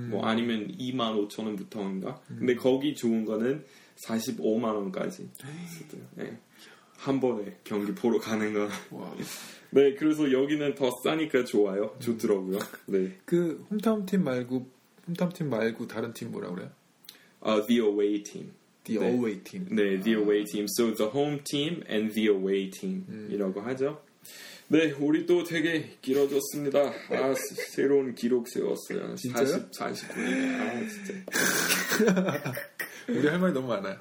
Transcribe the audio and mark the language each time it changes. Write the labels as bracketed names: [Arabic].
[Korean] 뭐 아니면 25,000원부터인가? 근데 거기 좋은 거는 45만원까지. 네. 한 번에 경기 보러 가는 거. 네, 그래서 여기는 더 싸니까 좋아요. 좋더라고요. 네. 그, 홈타운 팀 말고 다른 팀 뭐라 그래요? [English] The away team. The 네. away team. 네, the away team. So the home team and the away team. [Korean] 이라고 하죠. 네, 우리 또 되게 길어졌습니다. 아, 새로운 기록 세웠어요. 진짜요? 40분이네. 아, 진짜. 우리 할 말이 너무 많아요.